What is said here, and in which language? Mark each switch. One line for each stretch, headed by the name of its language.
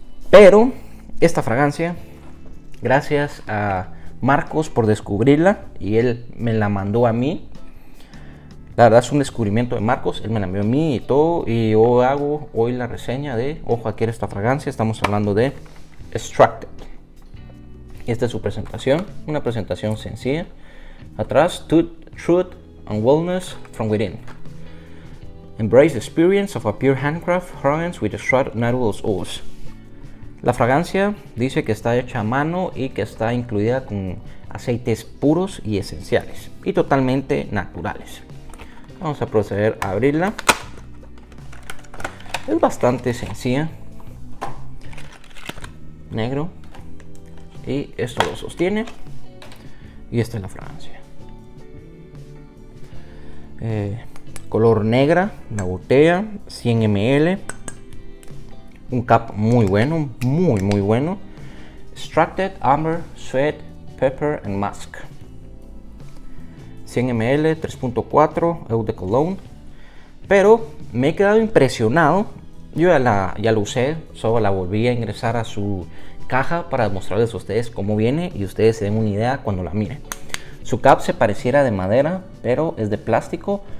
Spanish: Pero esta fragancia, gracias a Marcos por descubrirla y él me la mandó a mí. La verdad es un descubrimiento de Marcos, él me la envió a mí y todo. Y yo hago hoy la reseña de, ojo, aquí era esta fragancia, estamos hablando de Extracted. Y esta es su presentación, una presentación sencilla.
English: Atrás, Truth and Wellness from Within. Embrace the experience of a pure handcraft fragrance with extracted natural oils.
Spanish: La fragancia dice que está hecha a mano y que está incluida con aceites puros y esenciales y totalmente naturales. Vamos a proceder a abrirla. Es bastante sencilla. Negro. Y esto lo sostiene. Y esta es la fragancia. Color negra, la botella, 100 ml. Un cap muy bueno, muy muy bueno. Extracted Amber, Sweat, Pepper and Musk. 100 ml, 3.4, Eau de Cologne. Pero me he quedado impresionado. Yo ya la usé, solo la volví a ingresar a su caja para mostrarles a ustedes cómo viene y ustedes se den una idea cuando la miren. Su cap se pareciera de madera, pero es de plástico.